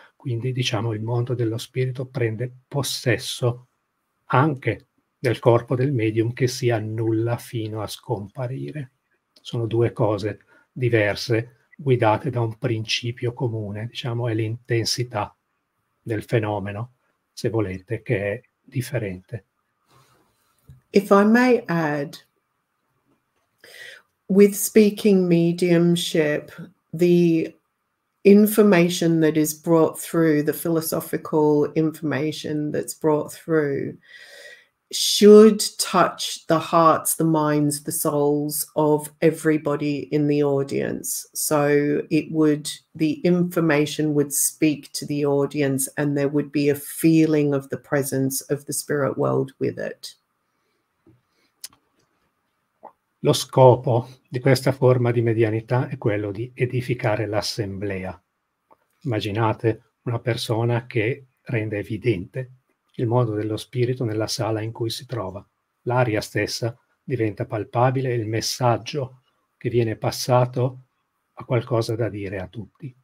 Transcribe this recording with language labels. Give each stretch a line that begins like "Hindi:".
Italian: Quindi, diciamo, il mondo dello spirito prende possesso anche del corpo del medium che si annulla fino a scomparire. Sono due cose diverse, guidate da un principio comune, diciamo, è l'intensità del fenomeno, se volete, che è differente.
English: If I may add, with speaking mediumship, the information that is brought through, the philosophical information that's brought through, should touch the hearts, the minds, the souls of everybody in the audience. So it would, the information would speak to the audience and there would be a feeling of the presence of the spirit world with it.
Italian: Lo scopo di questa forma di medianità è quello di edificare l'assemblea. Immaginate una persona che rende evidente il mondo dello spirito nella sala in cui si trova. L'aria stessa diventa palpabile, il messaggio che viene passato ha qualcosa da dire a tutti.